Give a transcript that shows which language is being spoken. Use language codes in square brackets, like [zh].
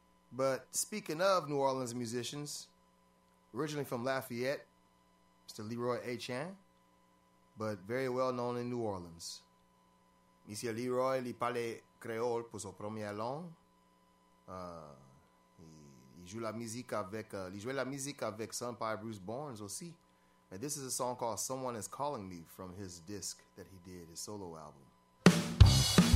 [en] But speaking of New Orleans musicians, originally from Lafayette, Mr. Leroy Achan, but very well known in New Orleans. [fr] Monsieur Leroy, il parle créole pour son premier long. Il joue la musique avec Sampaio Bruce Barnes aussi. [en] And this is a song called Someone Is Calling Me from his disc that he did, his solo album.